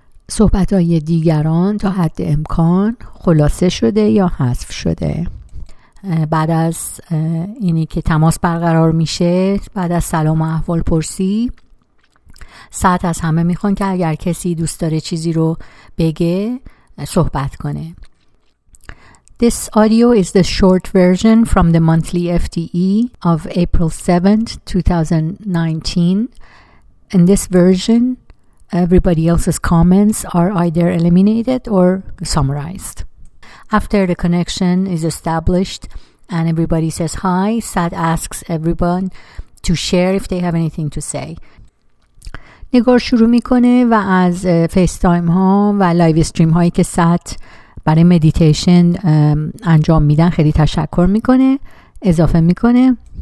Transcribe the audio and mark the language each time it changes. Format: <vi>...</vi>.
<fa>صحبت‌های دیگران تا حد امکان خلاصه شده یا حذف شده. بعد از اینی که تماس برقرار میشه، بعد از سلام و احوال پرسی، ساعت از همه میخوان که اگر کسی دوست داره چیزی رو بگه صحبت کنه.</fa> <en>This audio is the short version from the monthly FDE of April 7th, 2019. In this version, everybody else's comments are either eliminated or summarized. After the connection is established and everybody says hi, Sad asks everyone to share if they have anything to say.</en> <fa>نگار شروع میکنه و از فیس تایم ها و لایو استریم هایی که Sad برای مدیتیشن انجام میدن خیلی تشکر میکنه، اضافه میکنه.</fa>